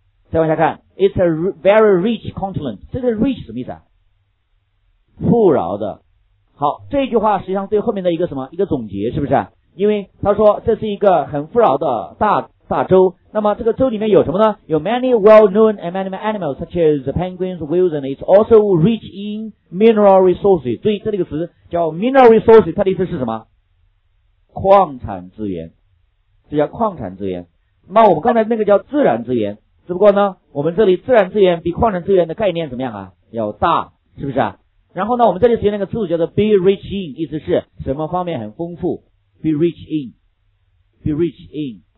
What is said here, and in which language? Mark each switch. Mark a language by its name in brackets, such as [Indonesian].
[Chinese] 再往下看， [English] it's a very rich continent， [Chinese] 这个 rich 什么意思啊，富饶的。好，这句话实际上对后面的一个什么一个总结，是不是？因为他说这是一个很富饶的大洲，那么这个洲里面有什么呢？有 [English] many well known and many animals such as penguins, whales, and it's also rich in mineral resources。 [Chinese] 注意这个词叫 mineral resources， 它的意思是什么？矿产资源，这叫矿产资源。那我们刚才那个叫自然资源，只不过呢我们这里自然资源比矿产资源的概念怎么样啊，要大，是不是啊？然后呢我们这里使用那个词组叫做 be rich in， 意思是什么方面很丰富， be rich in， be rich in。